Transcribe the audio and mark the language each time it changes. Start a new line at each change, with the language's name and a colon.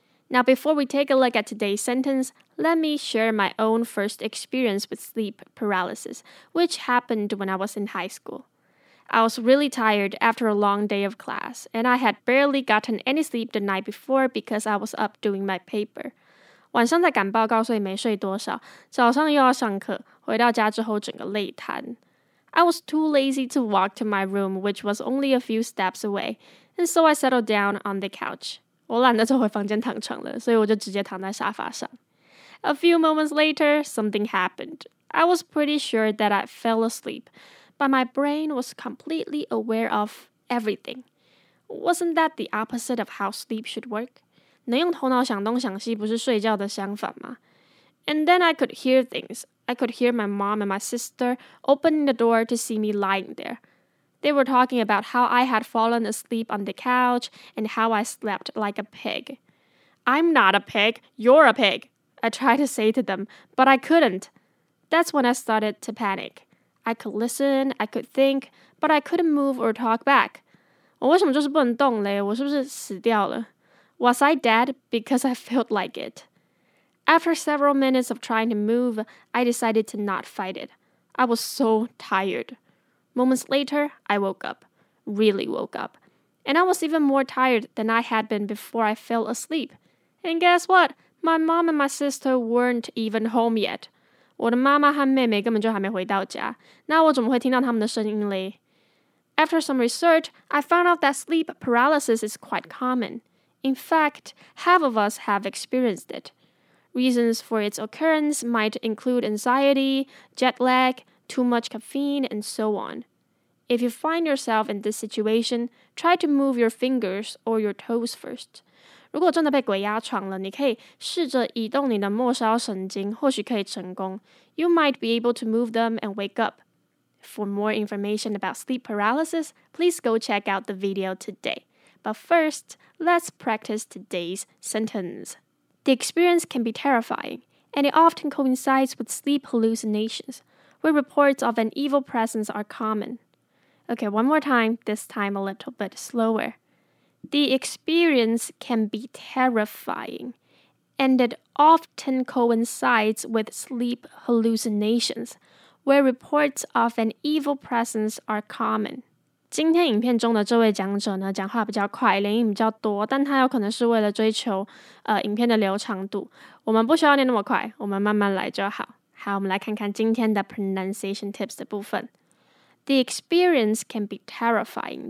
English: Now, before we take a look at today's sentence, let me share my own first experience with sleep paralysis, which happened when I was in high school. I was really tired after a long day of class, and I had barely gotten any sleep the night before because I was up doing my paper.
Chinese: 晚上在赶报告，所以没睡多少。早上又要上课，回到家之后整个累瘫。
English: I was too lazy to walk to my room, which was only a few steps away, and so I settled down on the couch.
Chinese: 我懒得走回房间躺床了，所以我就直接躺在沙发上。
English: A few moments later, something happened. I was pretty sure that I fell asleep, but my brain was completely aware of everything. Wasn't that the opposite of how sleep should work?
Chinese: 能用头脑想东想西不是睡觉的相反吗?
English: And then I could hear things. I could hear my mom and my sister opening the door to see me lying there. They were talking about how I had fallen asleep on the couch and how I slept like a pig. I'm not a pig. You're a pig. I tried to say to them, but I couldn't. That's when I started to panic. I could listen, I could think, but I couldn't move or talk back.
Chinese: 我为什么就是不能动嘞? 我是不是死掉了?
English: Was I dead? Because I felt like it. After several minutes of trying to move, I decided to not fight it. I was so tired. Moments later, I woke up. Really woke up. And I was even more tired than I had been before I fell asleep. And guess what? My mom and my sister weren't even home yet.
Chinese: 我的妈妈和妹妹根本就还没回到家。那我怎么会听到他们的声音嘞?
English: After some research, I found out that sleep paralysis is quite common. In fact, half of us have experienced it. Reasons for its occurrence might include anxiety, jet lag, too much caffeine, and so on. If you find yourself in this situation, try to move your fingers or your toes first.
Chinese: 如果真的被鬼压床了，你可以试着移动你的末梢神经，或许可以成功。
English: You might be able to move them and wake up. For more information about sleep paralysis, please go check out the video today. But first, let's practice today's sentence. The experience can be terrifying, and it often coincides with sleep hallucinations, where reports of an evil presence are common. Okay, one more time, this time a little bit slower. The experience can be terrifying, and it often coincides with sleep hallucinations, where reports of an evil presence are common.
Chinese: 今天影片中的这位讲者呢，讲话比较快，连音比较多，但他有可能是为了追求，影片的流畅度。我们不需要念那么快，我们慢慢来就好。好，我们来看看今天的
English: pronunciation tips
Chinese: 的部分。
English: The experience can be terrifying.